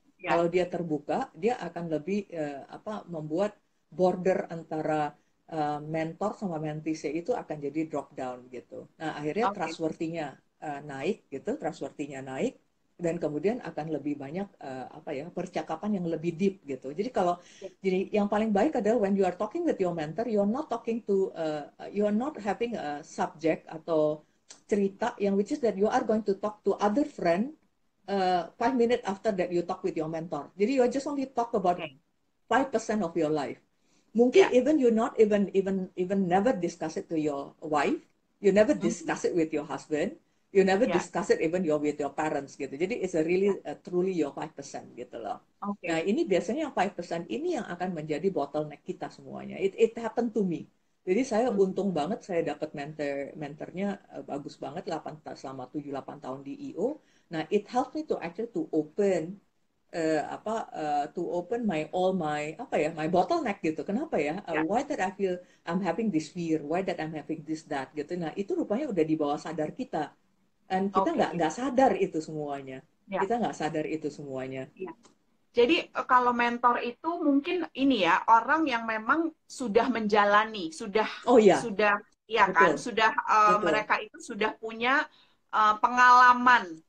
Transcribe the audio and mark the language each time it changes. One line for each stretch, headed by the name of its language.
Indonesian: Kalau dia terbuka, dia akan lebih apa membuat border antara mentor sama mentee itu akan jadi drop down gitu. Nah, akhirnya trustworthy-nya naik gitu, trustworthy-nya naik. Dan kemudian akan lebih banyak apa ya percakapan yang lebih deep gitu.
English: Jadi kalau jadi yang paling baik adalah when you are talking with your mentor, you are not talking to you are not having a subject
Indonesian: atau cerita yang
English: which is that you are going to talk to other friend 5 minutes after that you talk with your mentor. Jadi you are just only talk about 5% of your life. Mungkin even you not even never discuss it to your wife. You never discuss it with your husband. You never discuss it even you're with your parents gitu. Jadi it's a really truly your 5% gitu loh. Okay.
Indonesian: Nah, ini biasanya yang 5% ini yang akan menjadi bottleneck kita semuanya.
English: It happened to me.
Indonesian: Jadi saya untung banget saya dapat mentornya bagus banget selama 7-8 tahun di EO.
English: Nah, it helped me to actually to open my bottleneck gitu.
Indonesian: Kenapa ya?
English: Why that I feel I'm having this fear, why that I'm having this that gitu.
Indonesian: Nah, itu rupanya udah di bawah sadar kita. Dan kita nggak sadar itu semuanya. Yeah. Kita nggak sadar itu semuanya. Yeah. Jadi kalau mentor itu mungkin ini ya, orang yang memang sudah menjalani, mereka itu sudah punya pengalaman.